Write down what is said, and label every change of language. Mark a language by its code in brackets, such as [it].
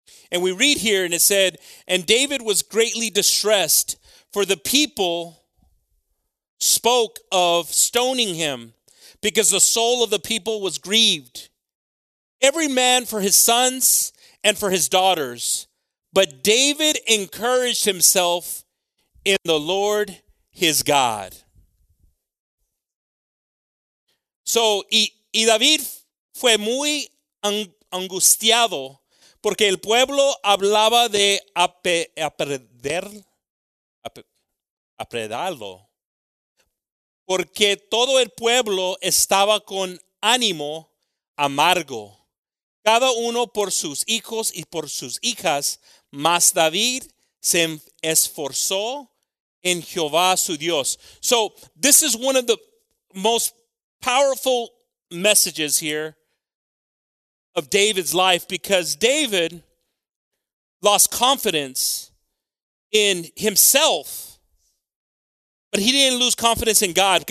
[en] And we read here and it said, and David was greatly distressed, for the people spoke of stoning him because the soul of the people was grieved. Every man for his sons and for his daughters. But David encouraged himself in the Lord his God. So, [es] y David fue muy angustiado porque el pueblo hablaba de apedrearlo. Porque todo el pueblo estaba con ánimo amargo, cada uno por sus hijos y por sus hijas, mas David se esforzó en Jehová su Dios. [en] So, this is one of the most powerful messages here of David's life, because David lost confidence in himself, but he didn't lose confidence in God.